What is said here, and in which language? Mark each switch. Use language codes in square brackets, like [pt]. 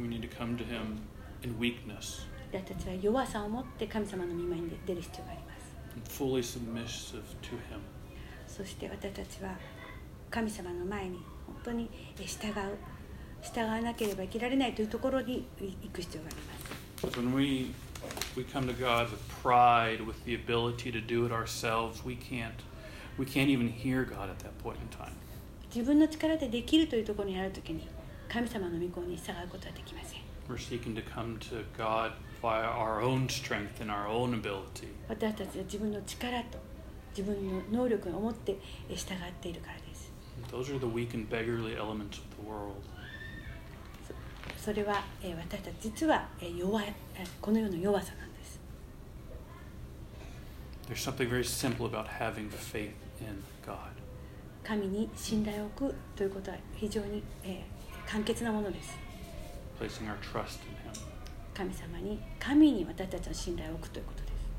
[en] We need to come to him in weakness. [ja] 私たちは弱さを持って神様の御前に出る必要があります。 [en] And fully submissive to him. [ja] そして私たちは神様の前に本当に従わなければ生きられないというところに行く必要があります。 [en] So when we come to God with pride, with the ability to do it ourselves, we can't even hear God at that point in time. [ja] 自分の力でできるというところにあるときに、神様の御声に従うことはできません。 [en] We're seeking to come to God via our own strength and our own ability. [ja] 私たちは自分の力と自分の能力を持って従っているからです。 [en] Those are the weak and beggarly elements of the world. [ja] それは私たち実は弱いこの世の弱さなんです。 [en] There's something very simple about having faith in God. [ja] 神に信頼を置くということは非常に、簡潔なものです。 [en] Placing our trust in Him. [ja] 神に私たちの信頼を置くということです。